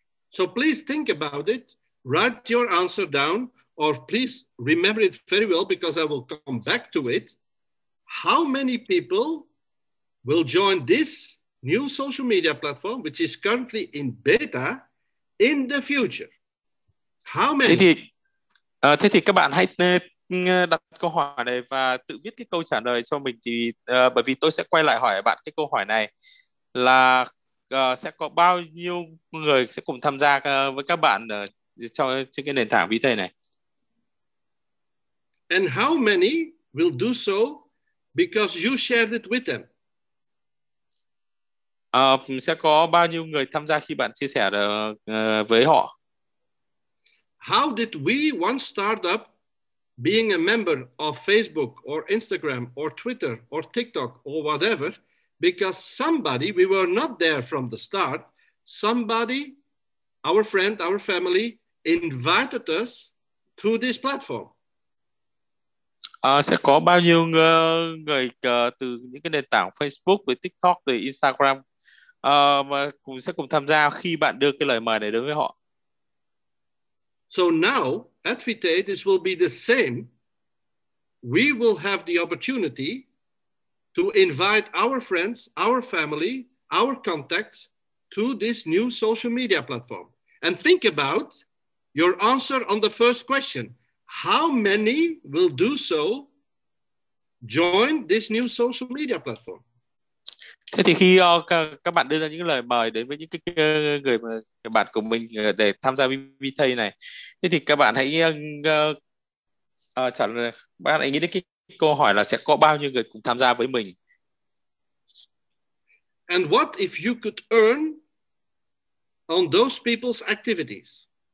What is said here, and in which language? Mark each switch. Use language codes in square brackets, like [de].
[en] So please think about it, write your answer down, or please remember it very well because I will come back to it. How many people will join this new social media platform which is currently in beta in the future? How many? [vi] Thế thì các bạn hãy đặt câu hỏi này và tự viết cái câu trả lời cho mình, thì bởi vì tôi sẽ quay lại hỏi bạn cái câu hỏi này là sẽ có bao nhiêu người sẽ cùng tham gia với các bạn trên cái nền tảng Vitae này. [en] And how many will do so because you shared it with them? [vi] Sẽ có bao nhiêu người tham gia khi bạn chia sẻ với họ? [en] How did we one startup being a member of Facebook or Instagram or Twitter or TikTok or whatever because somebody, we were not there from the start, somebody, our friend, our family, invited us to this platform? [vi] Sẽ có bao nhiêu người từ những cái nền tảng Facebook, với TikTok, với Instagram mà cũng sẽ cùng tham gia khi bạn đưa cái lời mời này đến với họ. [en] So now, at Vitae, this will be the same. We will have the opportunity to invite our friends, our family, our contacts to this new social media platform. And think about your answer on the first question. How many will do so join this new social media platform? [vi] Thế thì khi các bạn đưa ra những lời mời đến với những cái người bạn của mình để tham gia Vitae này, thế thì các bạn hãy trả lời, bạn hãy nghĩ đến cái câu hỏi là sẽ có bao nhiêu người cùng tham gia với mình. [en] And what if you could earn on those people's activities?